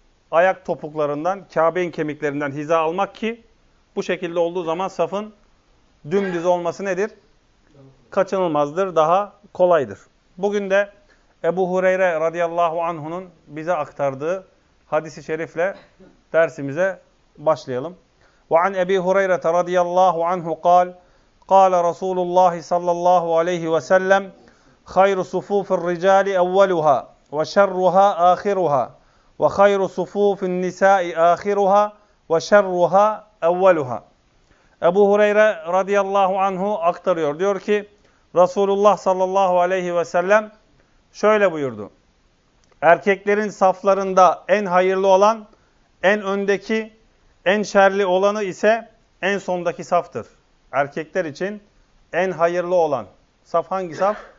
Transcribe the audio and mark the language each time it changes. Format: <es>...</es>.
<tr>Ayak topuklarından, Kabe'nin kemiklerinden hiza almak ki bu şekilde olduğu zaman safın dümdüz olması nedir? Kaçınılmazdır, daha kolaydır. Bugün de Ebu Hureyre radıyallahu anh'unun bize aktardığı hadisi şerifle dersimize başlayalım.</tr> <ar>وَعَنْ اَب۪ي هُرَيْرَةَ رَضِيَ اللّٰهُ عَنْهُ قَالْ قَالَ رَسُولُ اللّٰهِ صَلَّى اللّٰهُ عَلَيْهِ وَسَلَّمْ خَيْرُ صُفُوفِ الرِّجَالِ اَوَّلُهَا وَشَرُّهَا آخِرُهَا وَخَيْرُ صُفُوفِ النِّسَاءِ آخِرُهَا وَشَرُّهَا اَوَّلُهَا</ar> <tr>Ebu Hureyre radıyallahu anhu aktarıyor. Diyor ki Resulullah sallallahu aleyhi ve sellem şöyle buyurdu. Erkeklerin saflarında en hayırlı olan, en öndeki, en şerli olanı ise en sondaki saftır. Erkekler için en hayırlı olan saf hangi saf?</tr>